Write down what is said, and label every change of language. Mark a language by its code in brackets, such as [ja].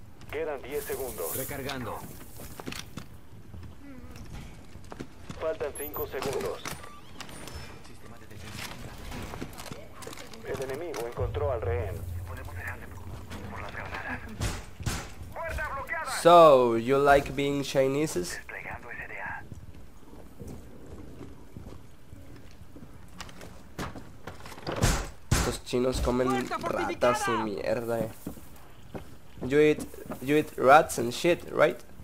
[es] Quedan 10 segundos. Recargando. Faltan 5 segundos. El enemigo encontró al rehén. [en] So, you like being Chinese? [es] Los chinos comen ratas y mierda. [en] You eat rats and shit, right?